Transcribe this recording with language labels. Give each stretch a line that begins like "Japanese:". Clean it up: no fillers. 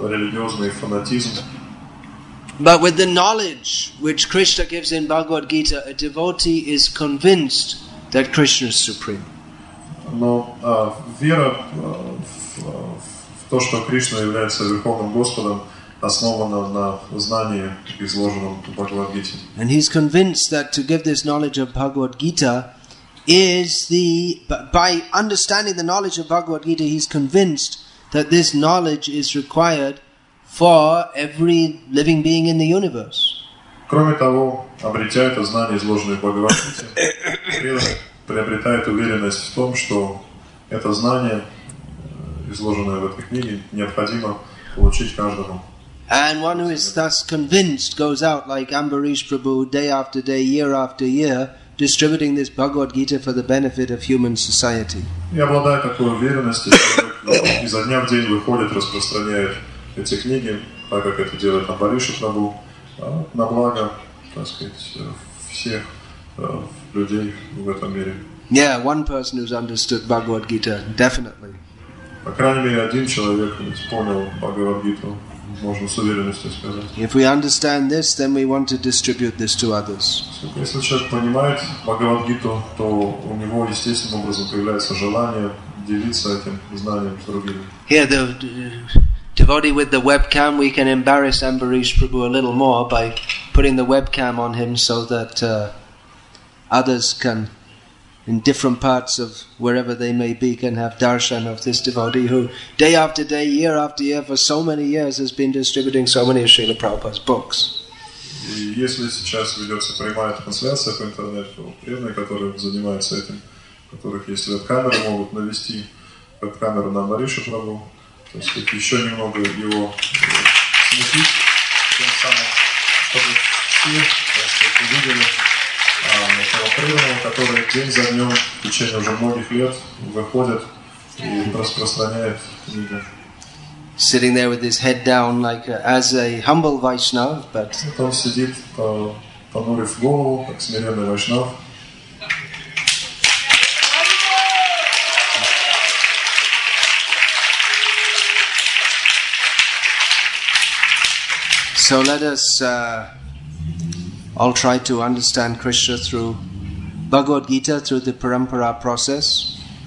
English: But with the knowledge which Krishna gives in Bhagavad Gita, a devotee is convinced that Krishna is supreme.
Russian: Но вера в то, что Кришна является Верховным Господом, основана на знании, изложенном в Бхагавад Гите.
English: And he's convinced that to give this knowledge of Bhagavad Gita is the by understanding the knowledge of Bhagavad Gita, he's convinced that this knowledge is required for every living being in the universe.
Russian: Кроме того, обретя это знание, изложенное в Бхагавад Гите, приобретает уверенность в том, что это знание, изложенное в этой книге, необходимо получить каждому.
English: And one who is thus convinced goes out like Ambarish Prabhu, day after day, year after year, distributing this Bhagavad Gita for the benefit of human society.
Russian: И обладая такой уверенностью, человек изо дня в день выходит, распространяет эти книги, так как это делает Амбариша Прабху, на благо, так сказать, всех людей в этом мире.
English: Yeah, one person who's understood Bhagavad Gita, definitely.
Russian: По крайней мере, один человек понял Бхагавад Гиту, можно с уверенностью сказать.
English: If we understand this, then we want to distribute this to others.
Russian: Если человек понимает Бхагавад Гиту, то у него естественным образом появляется желание делиться этим знанием с другими.
English: Here, the devotee with the webcam, we can embarrass Ambarish Prabhu a little more by putting the webcam on him so that others can, in different parts of wherever they may be, can have darshan of this devotee who day after day, year after year, for so many years has been distributing so many of Srila Prabhupada's books.
Russian: Если сейчас ведется прямая трансляция по интернету, то преданные, которые занимаются этим, у которых есть веб-камеры, могут навести веб-камеру на Амбариша Прабху, то есть еще немного его смутить, тем самым, чтобы все, так сказать, увидели этого преданного, который день за днем, в течение уже многих лет, выходит и распространяет книги.
English: Sitting there with his head down, like as a humble Vaishnav, but...
Russian: Он сидит, понурив голову, как смиренный Вайшнав.
English: So let us... I'll try to understand Krishna through Bhagavad Gita, through the parampara process.